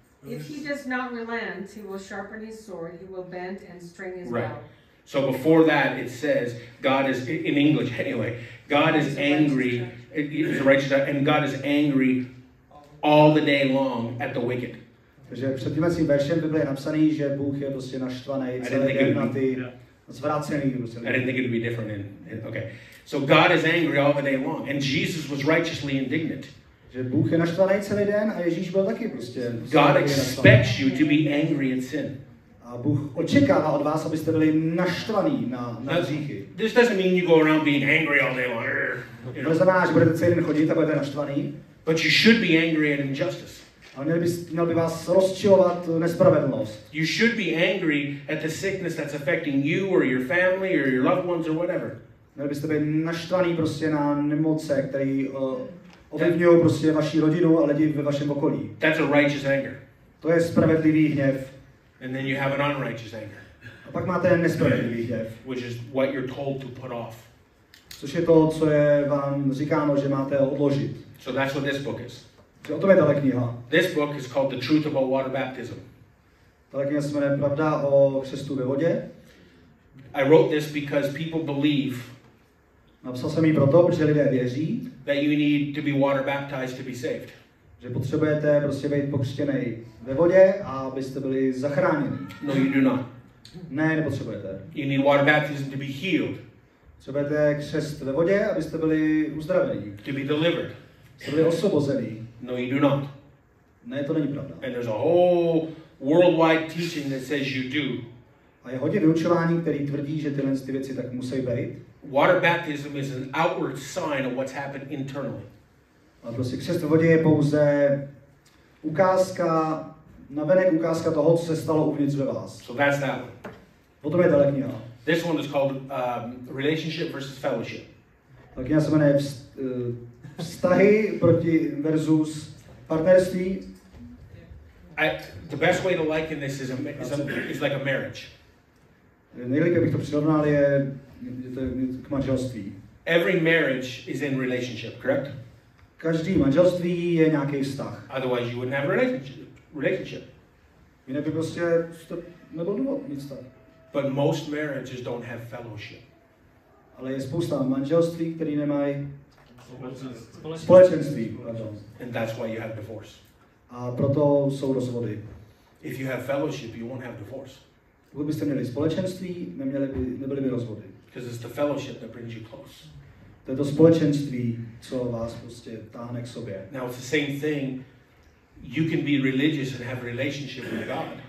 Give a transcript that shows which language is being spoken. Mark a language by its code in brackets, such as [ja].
[en] If he does not relent, he will sharpen his sword, he will bend and string his right. bow. So before that it says, God is, in English anyway, God is angry, he's a righteous judge, and God is angry all the day long at the wicked. [cs] Takže před tím veršem Bible je napsaný, že Bůh je prostě naštvaný celý den na ty zvrácený. [en] I didn't think it would be different in okay. So God is angry all the day long, and Jesus was righteously indignant. [cs] Že Bůh je naštvaný celý den a Ježíš byl taky prostě. [en] God expects you to be angry at sin. [cs] A Bůh očekává od vás, abyste byli naštvaný na hříchy. [en] This doesn't mean you go around being angry all day long. [cs] To znamená, že budete celý den chodit a budete naštvaný. [en] But you should be angry at injustice. [cs] Ale měl by vás rozčilovat nespravedlnost. [en] You should be angry at the sickness that's affecting you or your family or your loved ones or whatever. [cs] Měl byste být naštvaný prostě na nemoce, které ovlivňují prostě vaši rodinu a lidi ve vašem okolí. [en] That's a righteous anger. [cs] To je spravedlivý hněv. [en] And then you have an unrighteous anger. [cs] A pak máte nespravedlivý hněv. [en] Which is what you're told to put off. [cs] Což je to, co je vám říkáno, že máte odložit. [en] So that's what this book is. [cs] O tom je tato kniha. [en] This book is called The Truth About Water Baptism. [cs] Tato kniha se jmenuje Pravda o křestu ve vodě. [en] I wrote this because people believe. [cs] Napsal jsem ji proto, protože lidé věří. [en] That you need to be water baptized to be saved. [cs] Že potřebujete prostě být pokřtěný ve vodě, abyste byli zachráněni. [en] No, you do not. [cs] Ne, nepotřebujete. [en] You need water baptism to be healed. [cs] Potřebujete křest ve vodě, abyste byli uzdraveni. [en] To be delivered. [cs] Abyste byli osvobozeni. [en] No, you do not. [cs] Ne, to není pravda. [en] And there's a whole worldwide teaching that says you do. [cs] A je hodně vyučování, který tvrdí, že tyhle ty věci tak musí být. [en] Water baptism is an outward sign of what's happened internally. [cs] A prostě křest v vodě je pouze ukázka, navenek ukázka toho, co se stalo uvnitř ve vás. [en] So that's that one. [cs] Potom je tato kniha. [en] This one is called Relationship versus Fellowship. [cs] Tak já se jmenuje vztahy proti versus partnerství. [en] The best way to liken this is like a marriage. [cs] Nejlépe bych to přirovnal je k manželství. [en] Every marriage is in relationship, correct? [cs] Každý manželství je nějaký vztah. [en] Otherwise you wouldn't have a relationship. [cs] Jinak by prostě to nebyl důvod mít vztah. [en] But most marriages don't have fellowship. [cs] Ale je spousta manželství, které nemají společenství. [en] And that's why you have divorce. [cs] A proto jsou rozvody. [en] If you have fellowship, you won't have divorce. [cs] Pokud byste měli společenství, nebyly by rozvody. [en] Because it's the fellowship that brings you close. [cs] To je to společenství, co vás prostě táhne k sobě. [en] Now it's the same thing. You can be religious and have a relationship with God.